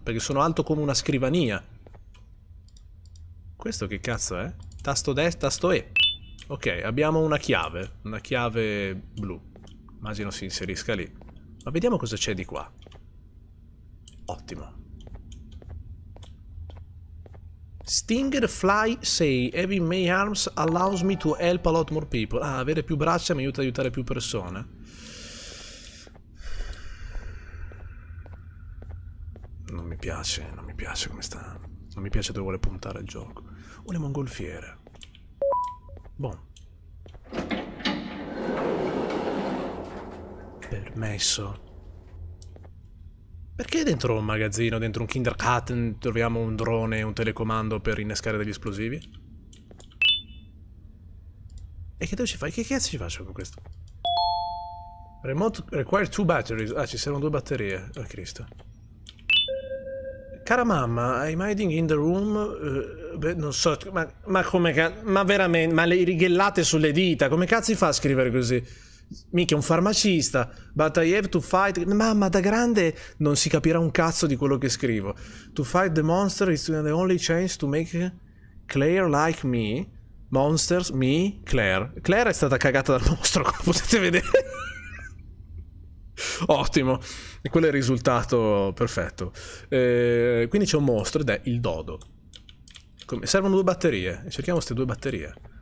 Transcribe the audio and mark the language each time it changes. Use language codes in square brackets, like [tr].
[it] Perché sono alto come una scrivania. Questo che cazzo è? Tasto destro, tasto E. Ok, abbiamo una chiave. Una chiave blu. Immagino si inserisca lì. Ma vediamo cosa c'è di qua. Ottimo. [en] Stinger Fly say having many arms allows me to help a lot more people. [it] Ah, avere più braccia mi aiuta ad aiutare più persone. Non mi piace, non mi piace come sta. Non mi piace dove vuole puntare il gioco. Una mongolfiera. Boh. Permesso. Perché dentro un magazzino, dentro un kindergarten, troviamo un drone e un telecomando per innescare degli esplosivi? E che devo ci fare? Che cazzo ci faccio con questo? [en] Remote require two batteries. [it] Ah, ci servono due batterie. Oh, Cristo. Cara mamma, [en] I'm hiding in the room. [it] Beh, non so, ma come cazzo? Ma veramente, ma le righellate sulle dita, come cazzo si fa a scrivere così? Mica un farmacista. [en] But I have to fight. [it] Mamma, da grande non si capirà un cazzo di quello che scrivo. [en] To fight the monster is the only chance to make Claire like me. Monsters, me, Claire. [it] Claire è stata cagata dal mostro, come potete vedere. Ottimo. E quello è il risultato perfetto. Quindi c'è un mostro ed è il dodo. Come? Servono due batterie. Cerchiamo queste due batterie.